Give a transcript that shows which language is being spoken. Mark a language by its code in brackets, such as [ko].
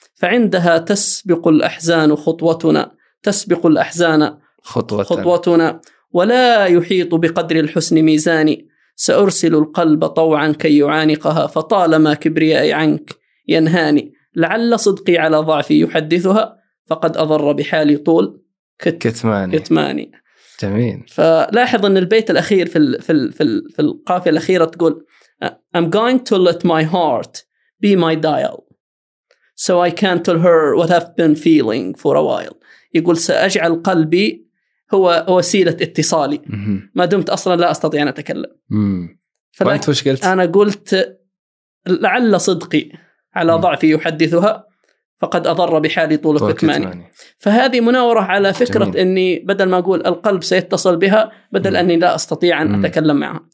[ar] فعندها تسبق الأحزان خطوتنا، تسبق الأحزان خطوتنا، ولا يحيط بقدر الحسن ميزاني. سأرسل القلب طوعا كي يعانقها، فطالما كبريائي عنك ينهاني. لعل صدقي على ضعفي يحدثها، فقد أضر بحالي طول كتماني. جميل. فلاحظ أن البيت الأخير في القافية الأخيرة تقول [en] I'm going to let my heart be my dial so I can tell her what I've been feeling for a while. [ar] يقول سأجعل قلبي هو وسيلة اتصالي ما دمت أصلا لا أستطيع أن أتكلم. وأنت وش قلت؟ أنا قلت لعل صدقي على ضعفي يحدثها، فقد أضر بحالي طول كتماني. فهذه مناورة على فكرة. جميل. أني بدل ما أقول القلب سيتصل بها، بدل أني لا أستطيع أن أتكلم معها.